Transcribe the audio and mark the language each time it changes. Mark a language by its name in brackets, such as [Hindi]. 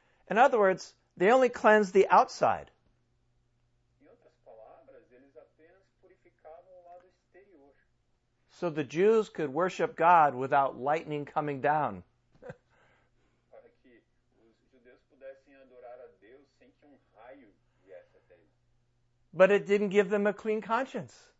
[English] In other words, they only cleanse the outside. [Portuguese] Em outras palavras, eles apenas purificavam o lado exterior. [English] So the Jews could worship God without lightning coming down. [Portuguese] Para que os judeus pudessem adorar a Deus sem que raio viesse até eles. [English] But it didn't give them a clean conscience.